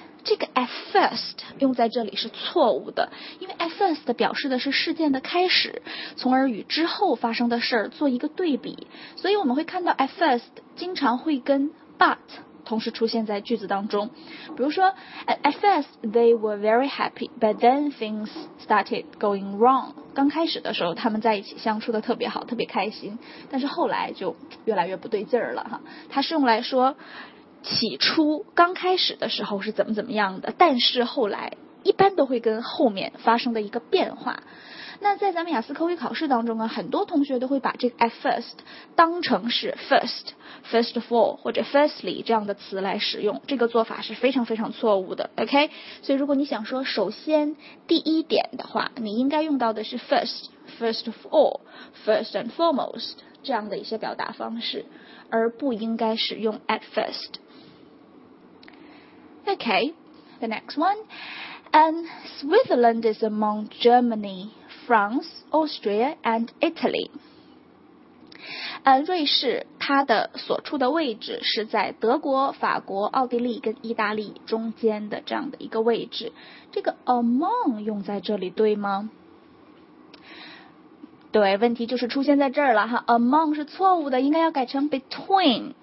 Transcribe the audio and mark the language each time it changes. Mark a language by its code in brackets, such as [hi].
[zh] 这个 at first 用在这里是错误的，因为 at first 表示的是事件的开始，从而与之后发生的事儿做一个对比。所以我们会看到 at first 经常会跟 but 同时出现在句子当中。 [en] 比如说 at first they were very happy, but then things started going wrong. [zh] 刚开始的时候他们在一起相处的特别好，特别开心，但是后来就越来越不对劲儿了哈。它是用来说起初刚开始的时候是怎么怎么样的，但是后来一般都会跟后面发生的一个变化。那在咱们雅思口语考试当中呢，很多同学都会把这个 at first 当成是 first、 first of all 或者 firstly 这样的词来使用，这个做法是非常非常错误的。 OK， 所以如果你想说首先第一点的话，你应该用到的是 first、 first of all、 first and foremost 这样的一些表达方式，而不应该使用 at first。 [en] OK, the next one. And Switzerland is among Germany, France, Austria, and Italy. [zh] 瑞士它的所处的位置是在德国、法国、奥地利跟意大利中间的这样的一个位置。这个 among 用在这里对吗？对，问题就是出现在这儿了哈。 Among 是错误的，应该要改成 between。